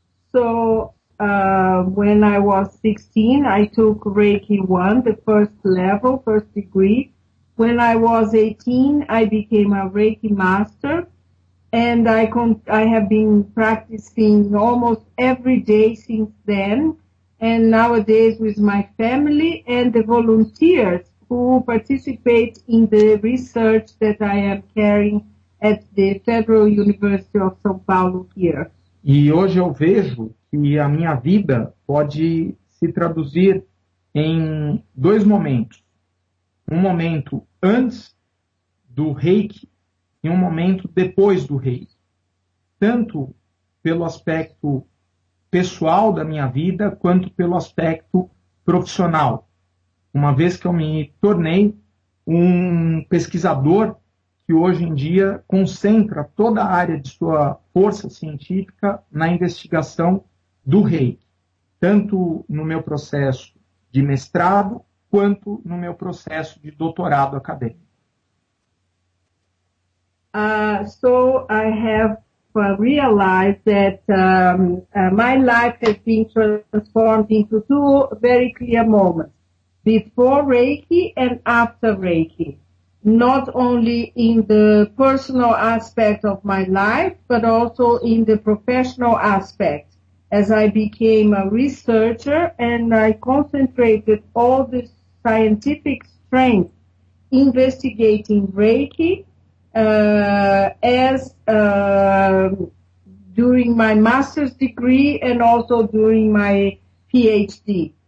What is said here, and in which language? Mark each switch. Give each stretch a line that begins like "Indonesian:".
English: So, when I was 16, I took Reiki 1, the first level, first degree. When I was 18, I became a Reiki master. And I have been practicing almost every day since then, and nowadays with my family and the volunteers who participate in the research that I am carrying at the Federal University of São Paulo here.
Portuguese: E hoje eu vejo que a minha vida pode se traduzir em dois momentos. Um momento antes do Reiki, em um momento depois do rei, tanto pelo aspecto pessoal da minha vida, quanto pelo aspecto profissional, uma vez que eu me tornei um pesquisador que hoje em dia concentra toda a área de sua força científica na investigação do rei, tanto no meu processo de mestrado, quanto no meu processo de doutorado acadêmico.
English: So I have realized that my life has been transformed into two very clear moments, before Reiki and after Reiki, not only in the personal aspect of my life, but also in the professional aspect, as I became a researcher and I concentrated all the scientific strength investigating Reiki, during my master's degree and also during my PhD.